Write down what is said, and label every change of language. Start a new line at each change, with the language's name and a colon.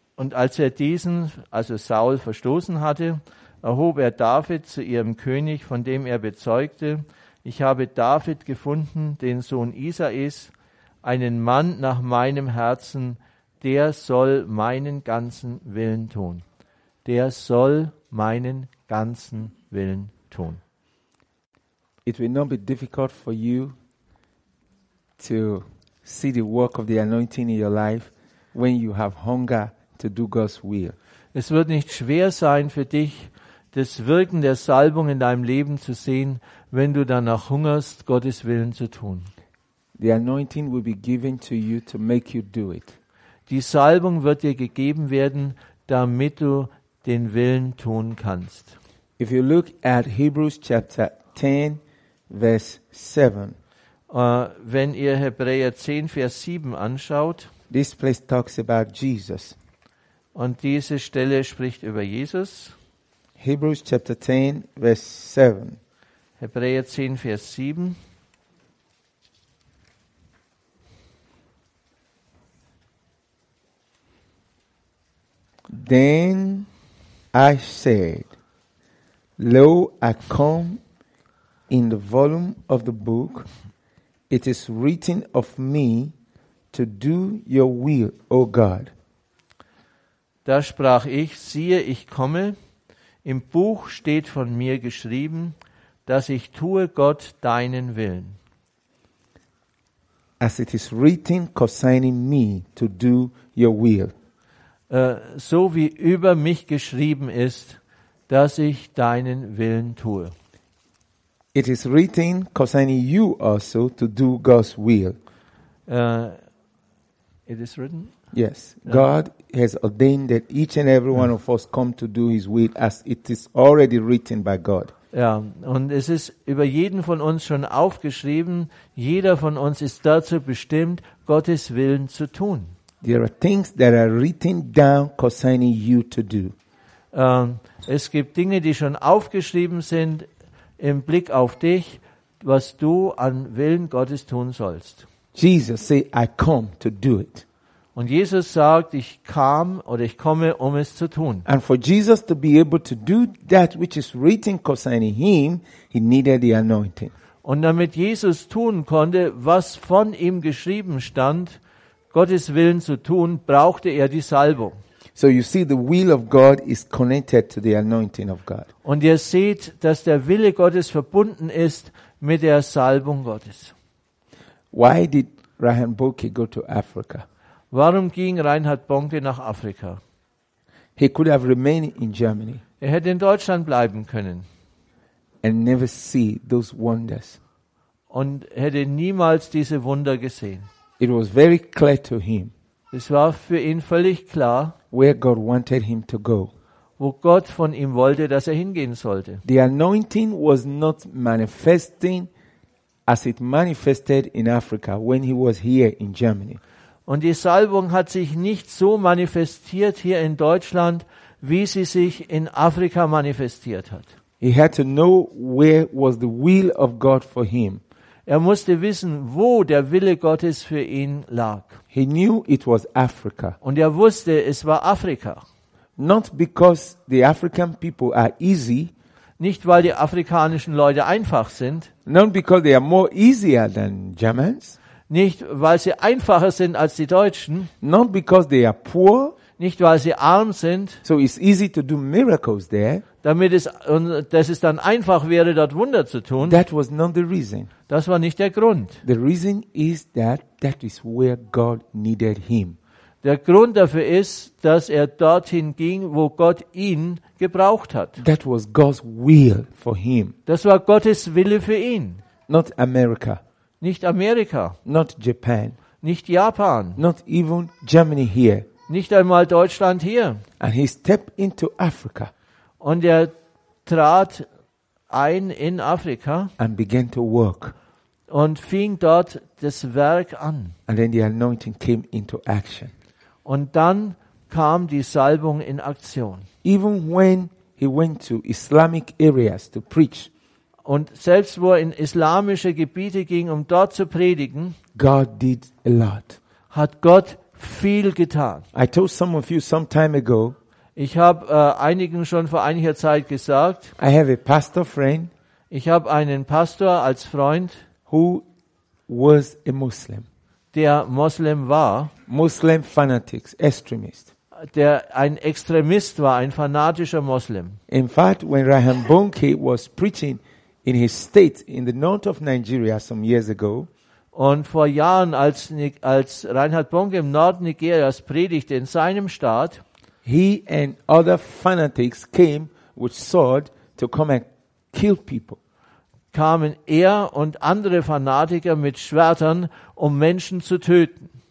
German: Und als er diesen, also Saul, verstoßen hatte, erhob er David zu ihrem König, von dem er bezeugte, ich habe David gefunden, den Sohn Isais, einen Mann nach meinem Herzen, der soll meinen ganzen Willen tun. Der soll meinen ganzen Willen tun.
English: It will not be difficult for you to see the work of the anointing in your life when you have hunger to do God's will.
German: Es wird nicht schwer sein für dich, das Wirken der Salbung in deinem Leben zu sehen, wenn du danach hungerst, Gottes Willen zu tun.
English: The anointing will be given to you to make you do it.
German: Die Salbung wird dir gegeben werden, damit du den Willen tun kannst.
English: If you look at Hebrews chapter 10, verse 7.
German: Wenn ihr Hebräer 10, Vers 7 anschaut.
English: This place talks about Jesus.
German: Und diese Stelle spricht über Jesus.
English: Hebrews chapter 10, verse 7.
German: Hebräer 10, Vers 7.
English: Then I said, lo, I come in the volume of the book. It is written of me to do your will, O God.
German: Da sprach ich, siehe, ich komme. Im Buch steht von mir geschrieben, dass ich tue Gott deinen Willen.
English: as it is written concerning me to do your will.
German: So wie über mich geschrieben ist, dass ich deinen Willen tue.
English: It is written concerning you also to do God's will. It is written? Yes. God has ordained that each and every one of us come to do his will as it is already written by God.
German: Ja, und es ist über jeden von uns schon aufgeschrieben, jeder von uns ist dazu bestimmt, Gottes Willen zu tun.
English: There are things that are written down concerning you to do.
German: Es gibt Dinge, die schon aufgeschrieben sind im Blick auf dich, was du an Willen Gottes tun sollst.
English: Jesus say, I come to do it.
German: Und Jesus sagt, ich kam oder ich komme, um es zu tun.
English: And for Jesus to be able to do that which is written concerning him, he needed the anointing.
German: Und damit Jesus tun konnte, was von ihm geschrieben stand, Gottes Willen zu tun, brauchte er die Salbung.
English: So you see, the will of God is connected to the anointing of God.
German: Und ihr seht, dass der Wille Gottes verbunden ist mit der Salbung Gottes.
English: Why did Reinhard Bonnke go to Africa?
German: Warum ging Reinhard Bonnke nach Afrika?
English: He could have remained in Germany.
German: Er hätte in Deutschland bleiben können.
English: And never see those wonders.
German: Und hätte niemals diese Wunder gesehen.
English: It was very clear to him.
German: Es war für ihn völlig klar,
English: where God wanted him to go.
German: Wo Gott von ihm wollte, dass er hingehen sollte.
English: The anointing was not manifesting as it manifested in Africa when he was here in Germany.
German: Und die Salbung hat sich nicht so manifestiert hier in Deutschland, wie sie sich in Afrika manifestiert hat.
English: He had to know where was the will of God for him.
German: Er musste wissen, wo der Wille Gottes für ihn lag.
English: He knew it was Africa.
German: Und er wusste, es war Afrika.
English: Not because the African people are easy.
German: Nicht weil die afrikanischen Leute einfach sind.
English: Not because they are more easier than Germans.
German: Nicht weil sie einfacher sind als die Deutschen.
English: Not because they are poor.
German: Nicht weil sie arm sind.
English: So it's easy to do miracles there.
German: Damit es und dass es dann einfach wäre, dort Wunder zu tun.
English: That was not the reason.
German: Das war nicht der Grund.
English: The reason is that that is where God needed him.
German: Der Grund dafür ist, dass er dorthin ging, wo Gott ihn gebraucht hat.
English: That was God's will for him.
German: Das war Gottes Wille für ihn.
English: Not America.
German: Nicht Amerika.
English: Not Japan.
German: Nicht Japan.
English: Not even Germany here.
German: Nicht einmal Deutschland hier.
English: And he stepped into Africa.
German: Und er trat ein in Afrika
English: and began to work.
German: Und fing dort das Werk an.
English: And then the anointing came into action.
German: Und dann kam die Salbung in Aktion.
English: Even when he went to Islamic areas to preach.
German: Und selbst wo er in islamische Gebiete ging, um dort zu predigen,
English: God did a lot.
German: Hat Gott viel getan.
English: I told some of you some time ago.
German: Ich habe einigen schon vor einiger Zeit gesagt.
English: I have a pastor friend.
German: Ich habe einen Pastor als Freund,
English: who was a Muslim.
German: Der Muslim war.
English: Muslim fanatics, extremist.
German: Der ein Extremist war, ein fanatischer Muslim.
English: In fact, when Reinhard Bonnke was preaching in his state in the north of Nigeria some years ago.
German: Und vor Jahren, als Reinhard Bonnke im Norden Nigerias predigte in seinem Staat,
English: he and other fanatics came with sword to come and kill people.
German: Kamen er und andere Fanatiker mit Schwertern, um Menschen zu töten.